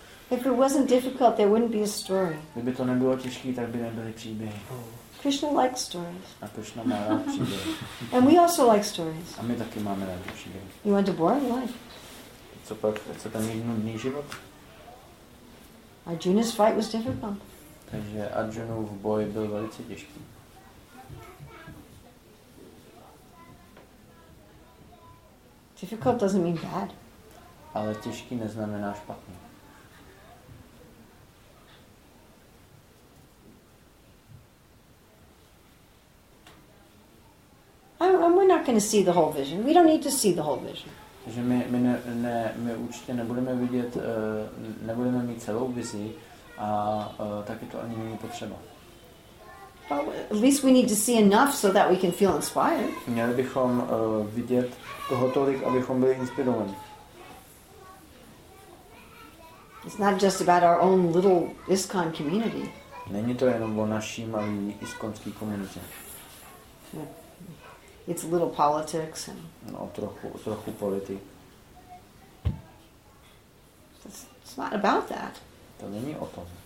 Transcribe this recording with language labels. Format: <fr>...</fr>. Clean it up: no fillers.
<en>If it wasn't difficult, there wouldn't be a story.</en> <cs>Kdyby to nebylo těžké, tak by nebyly příběhy.</cs> <en>Krishna likes stories.</en> <cs>A Krishna má rád příběhy.</cs> <en>And we also like stories.</en> <cs>A my taky máme rád příběhy.</cs> <en>You want a boring life?</en> <cs>Co pak? Co ten nudný život?</cs> <en>Arjuna's fight was difficult.</en> <cs>Takže Arjunův boj byl velice těžký.</cs> <en>Difficult doesn't mean bad.</en> <cs>Ale těžký neznamená špatný.</cs> <en>We're not going to see the whole vision. We don't need to see the whole vision.</en> <cs>Že my určitě nebudeme vidět, nebudeme mít celou vizi a taky to ani není potřeba.</cs> <en>Well, at least we need to see enough so that we can feel inspired.</en> <cs>Měli bychom vidět toho tolik, abychom byli inspirovaní.</cs> <en>It's not just about our own little ISKCON community.</en> <cs>Není to jenom o naší malé ISKCONské komunitě.</cs> <en>It's a little politics and.</en> <cs>No, trochu politik.</cs> <en>It's not about that.</en> <cs>To není o tom.</cs>